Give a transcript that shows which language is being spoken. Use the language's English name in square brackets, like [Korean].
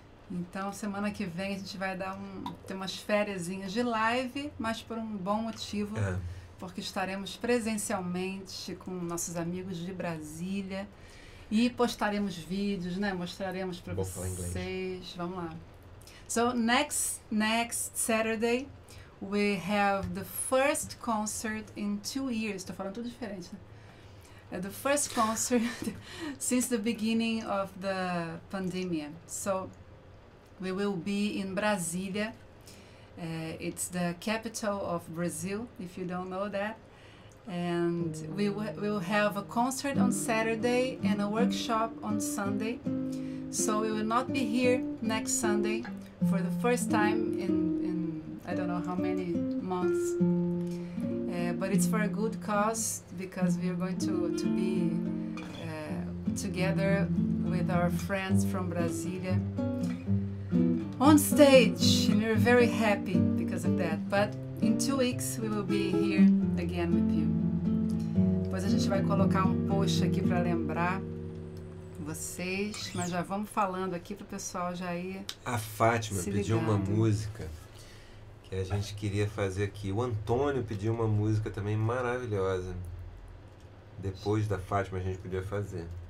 [Portuguese] Então semana que vem a gente vai dar um, ter umas fériasinhas de live, mas por um bom motivo. É. Porque estaremos presencialmente com nossos amigos de Brasília e postaremos vídeos, né? Mostraremos para vocês. Vamos lá. [English] So next Saturday we have the first concert in 2 years. [Portuguese] Estou falando tudo diferente, né? [English] The first concert since the beginning of the pandemic. So we will be in Brasília. It's the capital of Brazil, if you don't know that. And we'll have a concert on Saturday and a workshop on Sunday. So we will not be here next Sunday for the first time in I don't know how many months. But it's for a good cause, because we are going to be together with our friends from Brasília. On stage, and we're very happy because of that. But in 2 weeks we will be here again with you. [Portuguese] Depois a gente vai colocar um post aqui para lembrar vocês, mas já vamos falando aqui pro pessoal já ir. A Fátima se pediu ligando. Uma música que a gente queria fazer aqui. O Antônio pediu uma música também maravilhosa. Depois da Fátima a gente podia fazer.